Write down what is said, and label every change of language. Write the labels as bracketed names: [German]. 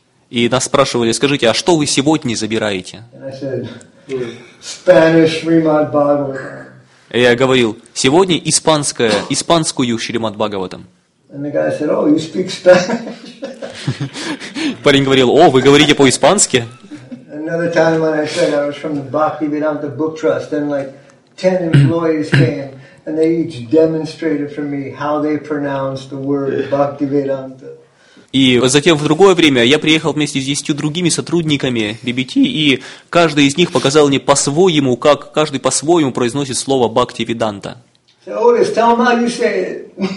[Russian] И нас спрашивали: скажите, а что вы сегодня забираете? Я говорил: сегодня испанскую Шримад Бхагаватам. Парень говорил: о, вы говорите по-испански? [English] Another time when I said I was from the Bhaktivedanta Book Trust, then like 10 employees came and they each demonstrated for me how they pronounced the word Bhaktivedanta. [Russian] И затем в другое время я приехал вместе с 10 другими сотрудниками BBT, и каждый из них показал мне по-своему, как каждый по-своему произносит слово Bhaktivedanta. [English] So, Otis, tell them how you say it.